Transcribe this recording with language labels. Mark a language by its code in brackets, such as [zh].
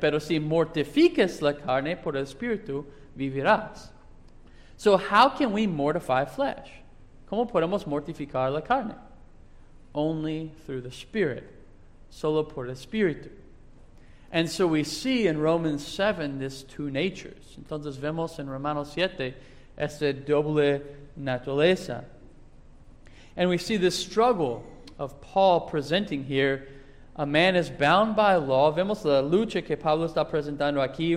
[es] Pero si mortificas la carne por el Espíritu, vivirás. [en] So how can we mortify flesh? [es] ¿Cómo podemos mortificar la carne? [en] Only through the Spirit. [es] Solo por el Espíritu. [en] And so we see in Romans 7 this two natures. [es] Entonces vemos en Romanos 7 esta doble naturaleza. [en] And we see this struggle of Paul presenting here. A man is bound by law. [es] Vemos la lucha que Pablo está presentando aquí.